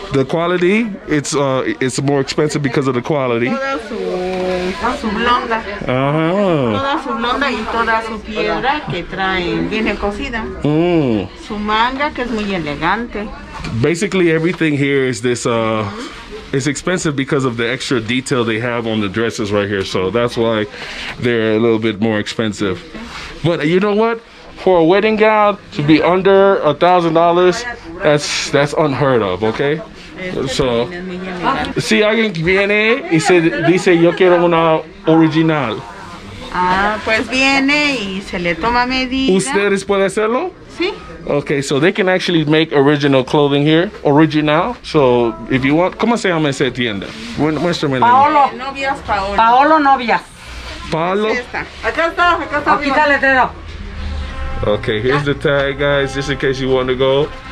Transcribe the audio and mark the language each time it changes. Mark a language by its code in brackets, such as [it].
[en] The quality, it's more expensive because of the quality. [es] Toda su blonda. Uh-huh. Toda su blonda y toda su piedra que traen, viene cocida. Mm. Su manga que es muy elegante. [en] Basically everything here is this, it's expensive because of the extra detail they have on the dresses right here. So that's why they're a little bit more expensive. But you know what? For a wedding gown to be under $1,000, that's unheard of, okay? [es] So, si alguien viene y se dice yo quiero una original. Ah, pues viene y se le toma medida. ¿Ustedes pueden hacerlo? Sí. [en] Okay, so they can actually make original clothing here, original. So, if you want, [es] ¿cómo se llama esa tienda? Muéstrame. Paolo. Novias Paolo. Paolo Novias. Paolo. Acá está. Aquí está el letrero. [en] Okay, here's the tag, guys, just in case you want to go.